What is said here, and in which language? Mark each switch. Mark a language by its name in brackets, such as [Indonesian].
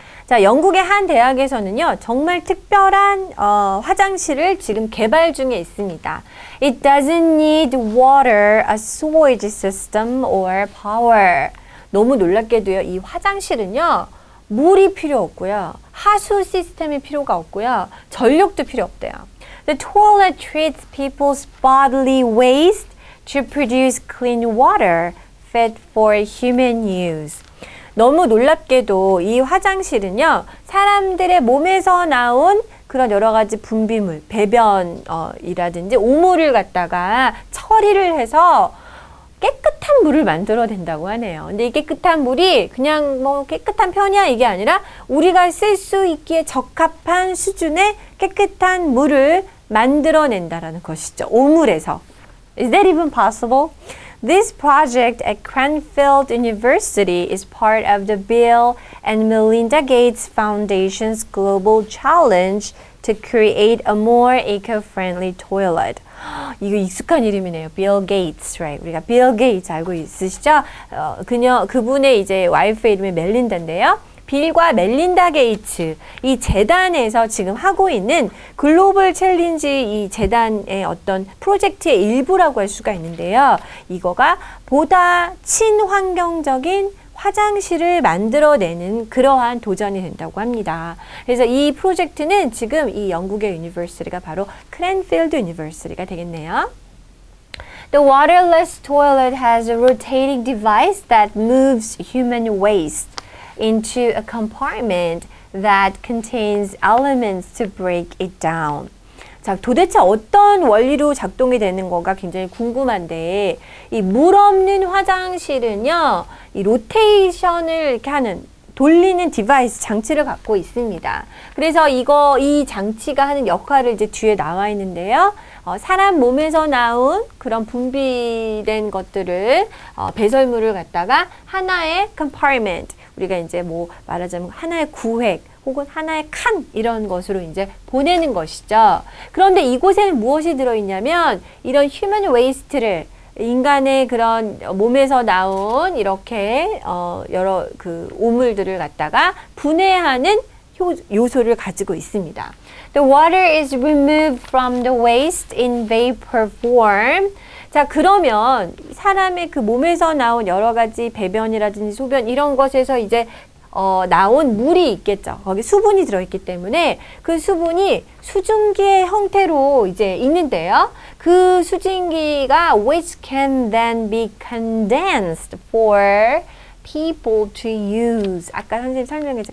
[Korean] 자, 영국의 한 대학에서는요, 정말 특별한 화장실을 지금 개발 중에 있습니다. [English] It doesn't need water, a sewage system, or power. [Korean] 너무 놀랍게도요, 이 화장실은요, 물이 필요 없고요, 하수 시스템이 필요가 없고요, 전력도 필요 없대요. [English] The toilet treats people's bodily waste to produce clean water. Fit for human use. [Korean] 너무 놀랍게도 이 화장실은요 사람들의 몸에서 나온 그런 여러 가지 분비물, 배변이라든지 오물을 갖다가 처리를 해서 깨끗한 물을 만들어낸다고 하네요. 근데 이 깨끗한 물이 그냥 뭐 깨끗한 편이야 이게 아니라 우리가 쓸 수 있기에 적합한 수준의 깨끗한 물을 만들어낸다라는 것이죠. 오물에서. [English] Is that even possible? This project at Cranfield University is part of the Bill and Melinda Gates Foundation's global challenge to create a more eco-friendly toilet. [Korean] 이거 익숙한 이름이네요. Bill Gates, right? 우리가 Bill Gates 알고 있으시죠? 그분의 이제 와이프 이름이 멜린다인데요. 빌과 멜린다 게이츠, 이 재단에서 지금 하고 있는 글로벌 챌린지 이 재단의 어떤 프로젝트의 일부라고 할 수가 있는데요. 이거가 보다 친환경적인 화장실을 만들어내는 그러한 도전이 된다고 합니다. 그래서 이 프로젝트는 지금 이 영국의 유니버시티가 바로 크랜필드 유니버시티가 되겠네요. [English] The waterless toilet has a rotating device that moves human waste. into a compartment that contains elements to break it down. [Korean] 자, 도대체 어떤 원리로 작동이 되는 건가 굉장히 궁금한데 이 물 없는 화장실은요. 이 로테이션을 이렇게 하는 돌리는 디바이스 장치를 갖고 있습니다. 그래서 이 장치가 하는 역할을 이제 뒤에 나와 있는데요. 사람 몸에서 나온 그런 분비된 것들을 배설물을 갖다가 하나의 compartment 우리가 이제 뭐 말하자면 하나의 구획 혹은 하나의 칸 이런 것으로 이제 보내는 것이죠. 그런데 이곳에는 무엇이 들어있냐면 이런 human waste를 인간의 그런 몸에서 나온 이렇게 여러 그 오물들을 갖다가 분해하는 요소를 가지고 있습니다. The water is removed from the waste in vapor form. 자, 그러면 사람의 그 몸에서 나온 여러 가지 배변이라든지 소변 이런 것에서 이제 나온 물이 있겠죠. 거기 수분이 들어있기 때문에 그 수분이 수증기의 형태로 이제 있는데요. 그 수증기가 [English] which can then be condensed for people to use. [Korean] 아까 선생님 설명했죠.